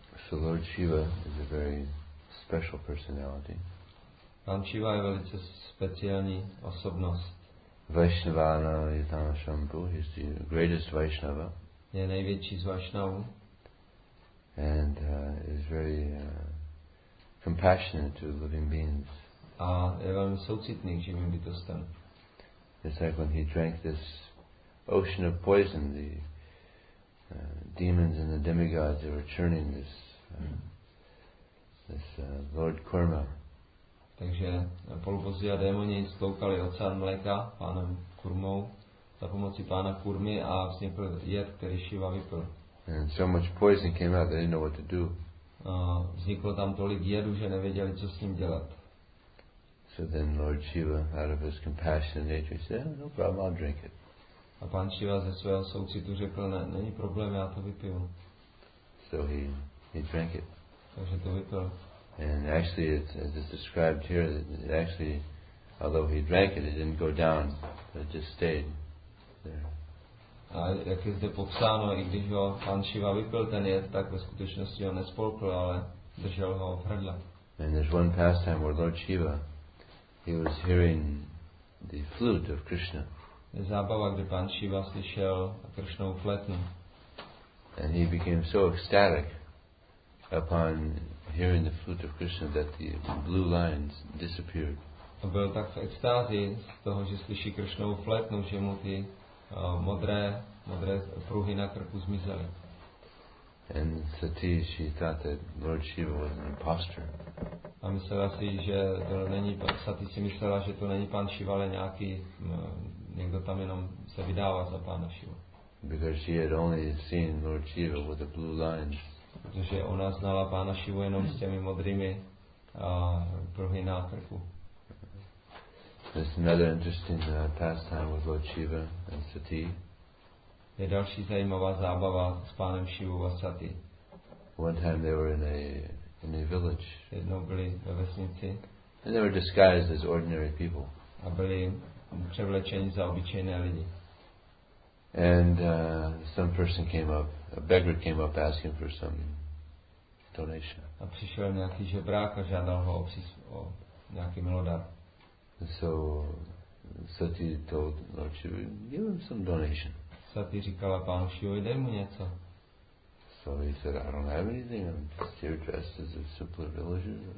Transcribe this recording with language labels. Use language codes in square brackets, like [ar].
[en] So Lord Shiva is a very special personality. [cs] Pán Shiva je velice speciální osobnost. [en] Vaishnavana Yatana Shambhu, he's the greatest Vaishnava. [cs] Je největší z Vaishnavu. [en] And is very compassionate to living beings. [cs] A je velmi soucitný k živým bytostem. [en] It's like when he drank this ocean of poison, the demons and the demigods, they were churning this Lord Kurma. [cs] Takže polubozí a démoni stoukali ocán mléka pánem Kurmou za pomocí pána Kurmy a vznikl jed, který Shiva vypil. [en] And so much poison came out, they didn't know what to do. [cs] Vzniklo tam tolik jedu, že nevěděli, co s ním dělat. [en] So then Lord Shiva, out of his compassionate nature, said, yeah, no problem, I'll drink it. [cs] A pán Shiva ze svého soucitu řekl, ne, není problém, já to vypiju. [en] So he drank it. [cs] Takže to vypil. [en] And actually, as it's described here, it actually, although he drank it, it didn't go down, but it just stayed there. [cs] A jak je zde popsáno, i když ho pán Shiva vypil ten jed, tak ve skutečnosti ho nespolkl, ale držel ho v hrdle. [en] And there's one pastime where Lord Shiva, he was hearing the flute of Krishna. [cs] Je zábava, kdy pán Shiva slyšel Krishnovu flétnu. [en] And he became so ecstatic upon hearing the flute of Krishna that the blue lines disappeared. [cs] A byl tak v extázi z toho, že slyší Krishnovu flétnu, že mu ty modré pruhy na krku zmizely. [en] And Sati, she thought that Lord Shiva was an impostor. [cs] A myslela si, že to není, Sati si myslela, že to není pán Shiva, ale nějaký někdo tam jenom se vydává za pána Shiva. [en] Because she had only seen Lord Shiva with the blue lines. [cs] Protože ona znala pána Shivu jenom s těmi modrými pruhy na krku. [en] There's another interesting pastime with Lord Shiva and Sati. [cs] Je další zajímavá zábava s pánem Shivu a Sati. [en] One time they were in a village. [cs] Jednou byli ve vesnici. [en] And they were disguised as ordinary people. [cs] A byli převlečení za obyčejné lidi. [en] And some person came up, a beggar came up asking for some donation. [cs] A přišel nějaký žebrák a žádal ho o nějaký milodar. [en] So Sati told Lord Shiva, give him some donation. [cs] Sati říkala pánu Shivovi, dej mu něco. [en] So he said, I don't have anything, I'm just here dressed as a simple villager.